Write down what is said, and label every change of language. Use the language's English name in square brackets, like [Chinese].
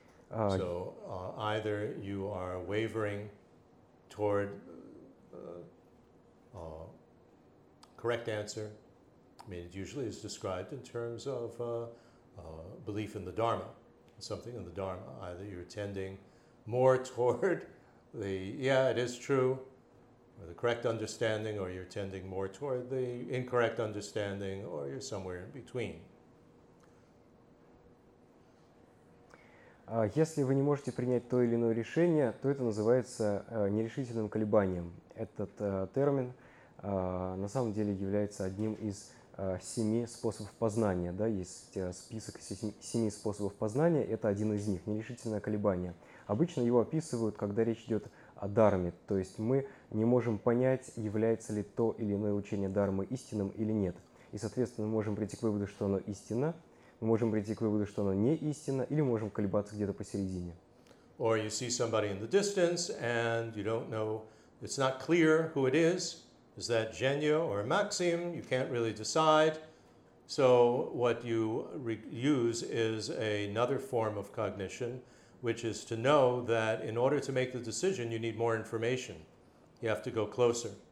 [English] So either you are wavering toward a correct answer, I mean, it usually is described in terms of belief in the Dharma, something in the Dharma. Either you're tending more toward the, yeah, it is true, or the correct understanding, or you're tending more toward the incorrect understanding, or you're somewhere in between. [Russian] Если вы не можете принять то или иное решение, то это называется нерешительным колебанием. Этот термин на самом деле является одним из семи способов познания, да, есть список семи способов познания, это один из них, нерешительное колебание. Обычно его описывают, когда речь идет о дарме, то есть мы не можем понять, является ли то или иное учение дармы истинным или нет. И, соответственно, мы можем прийти к выводу, что оно истинно, мы можем прийти к выводу, что оно не истинно, или можем колебаться где-то посередине. [English] Or you see somebody in the distance, and you don't know, it's not clear who it is. Is that Genya or Maxim? You can't really decide. So what you use is another form of cognition, which is to know that in order to make the decision, you need more information. You have to go closer.